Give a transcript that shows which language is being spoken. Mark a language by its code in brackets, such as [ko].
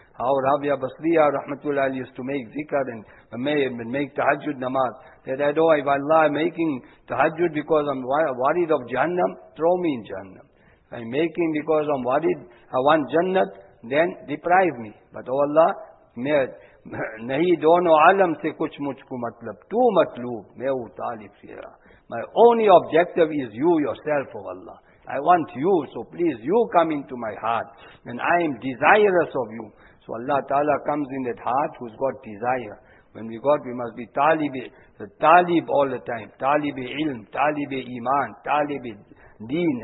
[en] How Rabia Basriya rahmatullah used to make zikr and make tahajjud namaz. That I don't, if Allah I'm making tahajjud because I'm worried of jahannam, throw me in jahannam. I'm making because I'm worried, I want jannat, then deprive me. But oh Allah, [ur] نہیں دونوں عالم سے کچھ مجھ کو مطلب, تو مطلوب, میں وہ طالب سے رہا. [en] My only objective is you yourself, O Allah. I want you, so please you come into my heart. And I am desirous of you. So Allah Ta'ala comes in that heart who's got desire. When we got, we must be talib all the time. Talib-e-ilm, talib-e-iman, talib-e-deen.